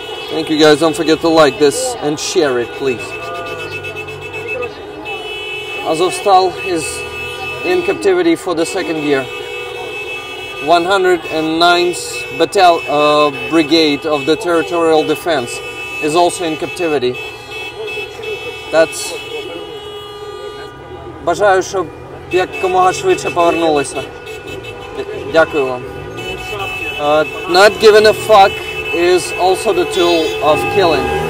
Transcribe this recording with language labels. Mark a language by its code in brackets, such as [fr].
[en] Thank you guys, don't forget to like this and share it, please. Azovstal is in captivity for the second year. 109th Brigade of the Territorial Defense is also in captivity. That's... [uk] Бажаю, щоб якомога швидше повернулися. Дякую вам. [en] Not giving a fuck is also the tool of killing.